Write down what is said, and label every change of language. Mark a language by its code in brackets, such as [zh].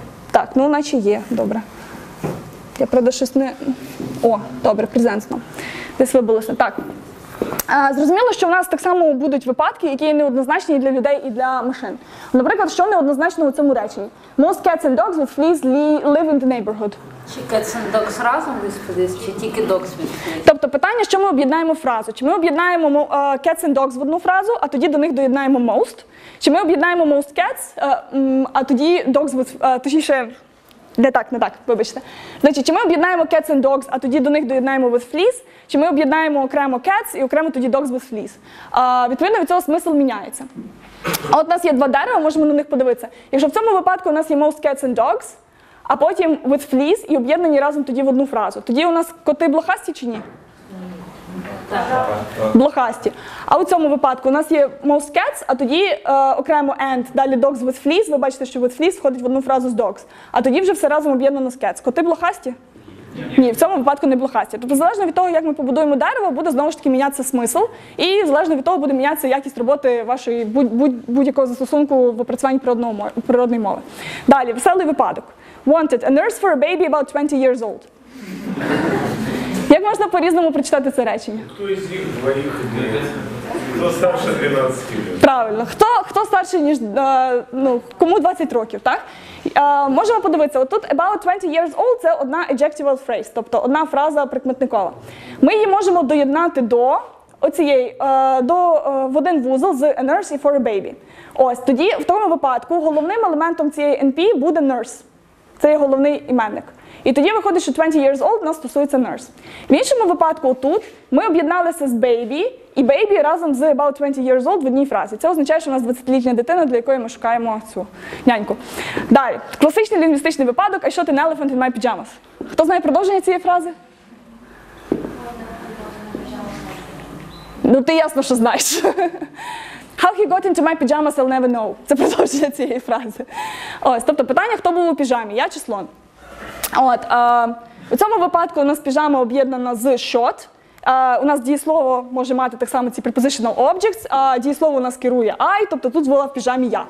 [uk] Так, ну наче є, добре. Я, правда, щось не... О, добре, презентно. Десь вибилося. Так. Зрозуміло, що у нас так само будуть випадки, які є неоднозначні і для людей, і для машин. Наприклад, що неоднозначно у цьому реченні? [en] Most cats and dogs with fleas live in the neighborhood. [uk] Чи [en] cats and dogs [uk] разом [en] with fleas, [uk] чи тільки [en] dogs with fleas? [uk] Тобто питання, що ми об'єднаємо фразу. Чи ми об'єднаємо cats and dogs в одну фразу, а тоді до них доєднаємо most? Чи ми об'єднаємо most cats, а тоді dogs with... Точніше, не так, вибачте. Значить, чи ми об'єднаємо cats and dogs, а тоді до них доєднаємо with fleas? Чи ми об'єднаємо окремо cats і окремо тоді dogs with fleas? Відповідно від цього смисл міняється. А от у нас є два дерева, можемо на них подивитися. Якщо в цьому випадку у нас є [en] most cats and dogs, [uk] а потім [en] with fleas [uk] і об'єднані разом тоді в одну фразу, тоді у нас коти блохасті чи ні? Так. Блохасті. А у цьому випадку у нас є [en] most cats, [uk] а тоді окремо and, далі [en] dogs with fleas. [uk] Ви бачите, що [en] with fleas [uk] входить в одну фразу з dogs. А тоді вже все разом об'єднано з cats. Коти блохасті? Ні, в цьому випадку не блохасті. Тобто залежно від того, як ми побудуємо дерево, буде знову ж таки мінятися смисл. І залежно від того буде мінятися якість роботи вашої будь-якого застосунку в опрацюванні природної мови. Далі, веселий випадок. [en] Wanted a nurse for a baby about 20 years old. [uk] Як можна по-різному прочитати це речення? Хто із їх двоїх дітей? Хто старше 12 років? Правильно. Хто старше, ніж, ну, кому 20 років, так? Можемо подивитися. Отут [en] about 20 years old [uk] – це одна adjectival phrase, тобто одна фраза прикметникова. Ми її можемо доєднати до оцієї, до, в один вузол з [en] a nurse [uk] і [en] for a baby. [uk] Ось, тоді в тому випадку головним елементом цієї NP буде nurse. Це є головний іменник. І тоді виходить, що [en] 20 years old [uk] у нас стосується nurse. В іншому випадку тут ми об'єдналися з baby, і baby разом з [en] about 20 years old [uk] в одній фразі. Це означає, що у нас 20-літня дитина, для якої ми шукаємо цю няньку. Далі. Класичний лінгвістичний випадок. [en] I shot an elephant in my pajamas. [uk] Хто знає продовження цієї фрази? Ну, ти ясно, що знаєш. [en] How he got into my pajamas, I'll never know. [uk] Це продовження цієї фрази. Ось, тобто питання, хто був у піжамі, я чи слон? От, у цьому випадку у нас піжама об'єднана з shot, У нас дієслово може мати так само ці prepositional objects, а дієслово у нас керує I, тобто тут була в піжамі я.